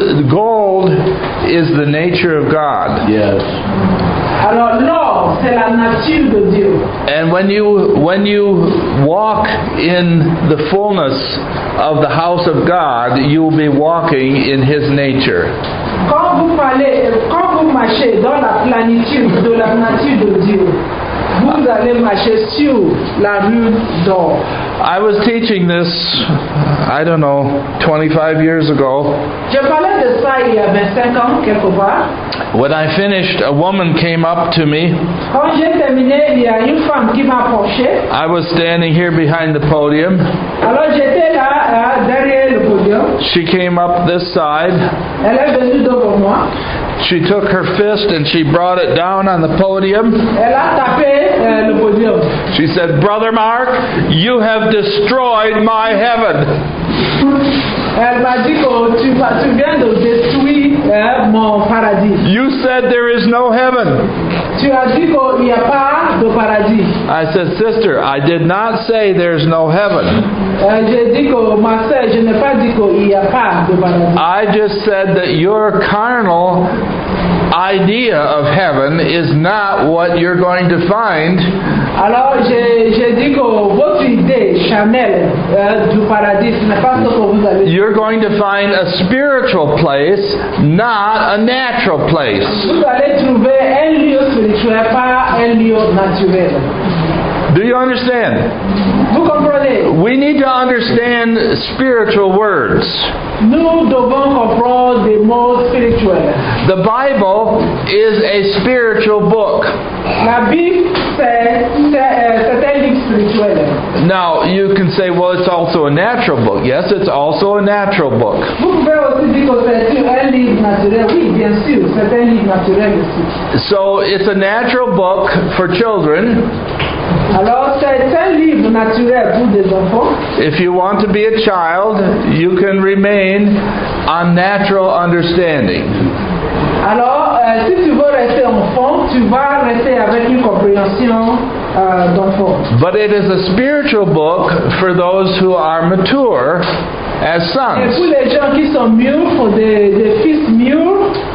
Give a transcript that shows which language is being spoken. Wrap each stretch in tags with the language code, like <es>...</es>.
<en>Gold is the nature of God. Yes.</en> <fr>Alors, l'or, c'est la nature de Dieu.</fr> <en>And when you walk in the fullness of the house of God, you will be walking in His nature.</en> <fr>Quand vous marchez dans la plénitude de la nature de Dieu, vous allez marcher sur la rue d'or.</fr> <en>I was teaching this, I don't know, 25 years ago.</en> <fr>Je parlais de ça il y a 25 ans, quelquefois.</fr> <en>When I finished, a woman came up to me.</en> <fr>Quand j'ai terminé, il y a une femme qui m'a approché.</fr> <en>I was standing here behind the podium.</en> <fr>Alors j'étais là, derrière le podium.</fr> <en>She came up this side.</en> <fr>Elle est venue devant moi.</fr> <en>She took her fist and she brought it down on the podium.</en> <fr>Elle a tapé, le podium.</fr> <en>She said, "Brother Mark, you have destroyed my heaven."</en> <fr>Elle m'a dit que tu viens de détruire mon paradis.</fr> <en>You said there is no heaven.</en> <fr>Tu as dit qu'il n'y a pas de paradis.</fr> <en>I said, "Sister, I did not say there is no heaven."</en> <fr>J'ai dit que, ma sœur, je n'ai pas dit qu'il n'y a pas de paradis.</fr> <en>I just said that your carnal idea of heaven is not what you're going to find.</en> <fr>Alors, j'ai dit que votre idée charnelle du paradis n'est pas ce que vous avez dit.</fr> <en>You're going to find a spiritual place, not a natural place.</en> <fr>Vous allez trouver un lieu spirituel, pas un lieu naturel.</fr> <en>Do you understand?</en> <fr>Vous comprenez?</fr> <en>We need to understand spiritual words.</en> <fr>Nous devons comprendre des mots spirituels.</fr> <en>The Bible is a spiritual book.</en> <fr>La Bible, c'est un livre spirituel.</fr> <en>Now, you can say, well, it's also a natural book. Yes, it's also a natural book.</en> <fr>Vous pouvez aussi dire que c'est un livre naturel. Oui, bien sûr, c'est un livre naturel aussi.</fr> <en>So, it's a natural book for children.</en> <fr>Alors, c'est un livre naturel pour des enfants.</fr> <en>If you want to be a child, you can remain on natural understanding.</en> <fr>Alors, si tu veux rester enfant, tu vas rester avec une compréhension d'enfant.</fr> <en>But it is a spiritual book for those who are mature as sons.</en> <fr>Et pour les gens qui sont mûrs, pour des fils mûrs,</fr>